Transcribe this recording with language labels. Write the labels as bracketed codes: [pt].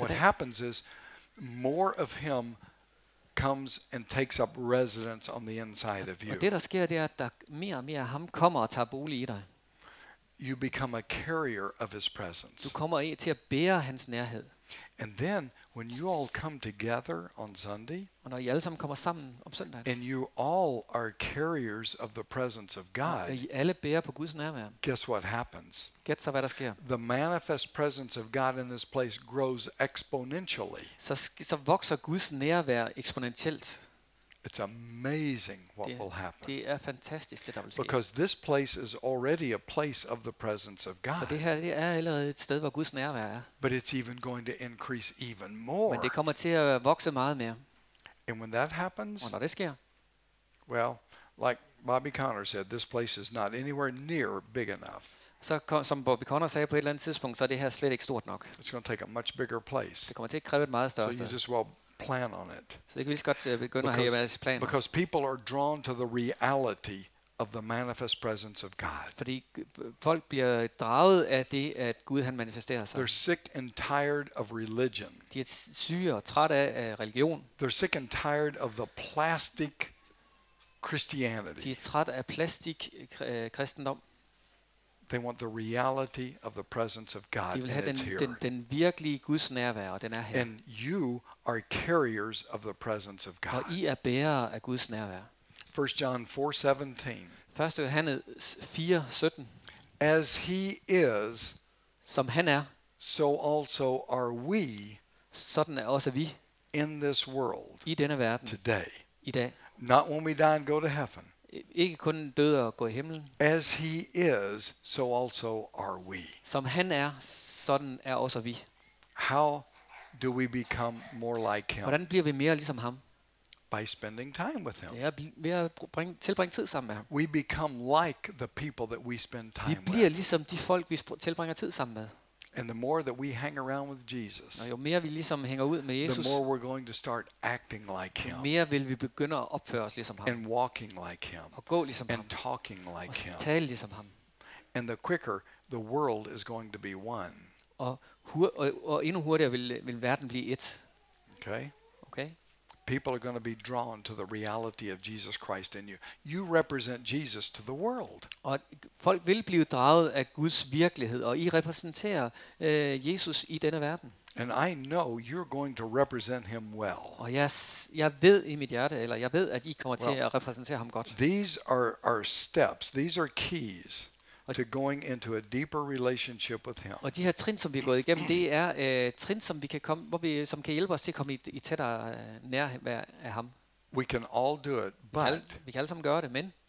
[en] What happens is more of him comes and takes up residence on the inside of you. [da] Og det der sker, det er, at der mere og mere ham kommer og tager bolig i dig. [en] You become a carrier of his presence. [da] Du kommer til at bære hans nærhed. [en] And then when you all come together on Sunday, [da] og når I alle sammen kommer sammen om søndagen, [en] and you all are carriers of the presence of God, [da] og I alle bærer på Guds nærvær, [en] guess what happens? [da] Gæt så, hvad der sker. [en] The manifest presence of God in this place grows exponentially. [da] Så vokser Guds nærvær eksponentielt. [en] It's amazing what will happen. [da] Det er fantastisk det der vil ske. [en] Because this place is already a place of the presence of God. [da] For det her, det er allerede et sted hvor Guds nærvær er. [en] But it's even going to increase even more. [da] Men det kommer til at vokse meget mere. [en] And when that happens, [da] og når det sker, [en] well, like Bobby Connor said, this place is not anywhere near big enough. [da] Så som Bobby Connor sagde på et eller andet tidspunkt, så er det her slet ikke stort nok. [en] It's going to take a much bigger place. [da] Det kommer til at kræve et meget større sted. [en] So you just well plan on it. [da] Så det kan vi lige så godt begynde at have i vores planer. [en] Because people are drawn to the reality of the manifest presence of God. [da] Fordi folk bliver draget af det, at Gud han manifesterer sig. [en] They're sick and tired of religion. [da] De er syge og trætte af religion. [en] They're sick and tired of the plastic Christianity. [da] De er trætte af plastik kristendom. [en] They want the reality of the presence of God. [da] De vil have den virkelige Guds nærvær, og den er her. [en] And you are carriers of the presence of God. [da] Og I er bærere af Guds nærvær. [en] 1 John 4:17. [da] 1 Johannes 4:17. [en] As he is, [da] som han er, [en] so also are we. [da] Sådan er også vi. [en] In this world. [da] I denne verden. [en] Today. [da] I dag. [en] Not when we die and go to heaven. [da] Ikke kun døde og gå i himlen. [en] As he is, so also are we. [da] Som han er, sådan er også vi. [en] How do we become more like him? [da] Hvordan bliver vi mere ligesom ham? [en] By spending time with him. [da] Ja, ved at tilbringe tid sammen med ham. [en] We become like the people that we spend time with. [da] Vi bliver ligesom de folk vi tilbringer tid sammen med. [en] And the more that we hang around with Jesus, [da] jo mere vi ligesom hænger ud med Jesus, [en] the more we're going to start acting like him. [da] Mere vil vi begynde at opføre os ligesom ham. [en] And walking like him. [da] Og gå ligesom ham. [en] And talking like him. [da] Og tale ligesom ham. [en] And the quicker the world is going to be one. [da] Og endnu hurtigere vil verden blive et. [en] Okay. [da] Okay. [en] People are going to be drawn to the reality of Jesus Christ in you. You represent Jesus to the world. [da] Og folk vil blive draget af Guds virkelighed, og I repræsenterer Jesus i denne verden. [en] And I know you're going to represent him well. [da] Og jeg ved i mit hjerte, eller jeg ved, at I kommer til at repræsentere ham godt. [en] These are our steps. These are keys to going into a deeper relationship with him. [da] Og de her trin som vi er gået igennem, det er trin som vi kan komme, hvor vi som kan hjælpe os til at komme i tættere nærvær af ham. [en] We can all do it, but [da] vi kan alle sammen gøre det, men